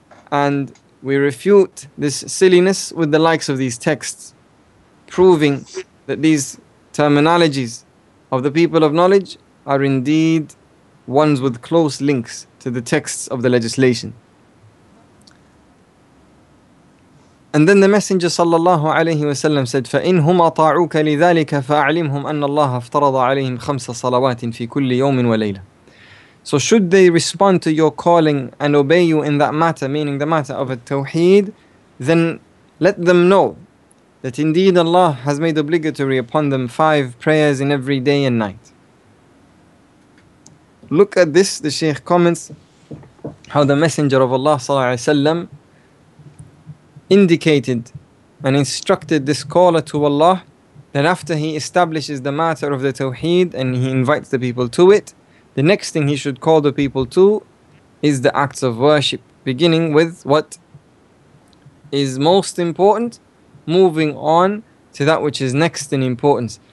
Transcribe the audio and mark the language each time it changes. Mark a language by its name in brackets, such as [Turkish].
[English] And we refute this silliness with the likes of these texts, proving that these terminologies of the people of knowledge are indeed ones with close links to the texts of the legislation. And then the Messenger sallallahu alayhi wa sallam said, [Arabic] فَإِنْهُمْ أَطَاعُوكَ لِذَلِكَ فَأَعْلِمْهُمْ أَنَّ اللَّهَ افْتَرَضَ عَلَيْهِمْ خَمْسَ صَلَوَاتٍ فِي كُلِّ يَوْمٍ وَلَيْلَةٍ. [English] So should they respond to your calling and obey you in that matter, meaning the matter of التوحيد, then let them know that indeed Allah has made obligatory upon them 5 prayers in every day and night. Look at this, the Shaykh comments, how the Messenger of Allah sallallahu alayhi wa sallam indicated and instructed this caller to Allah that after he establishes the matter of the Tawheed and he invites the people to it, the next thing he should call the people to is the acts of worship, beginning with what is most important, moving on to that which is next in importance.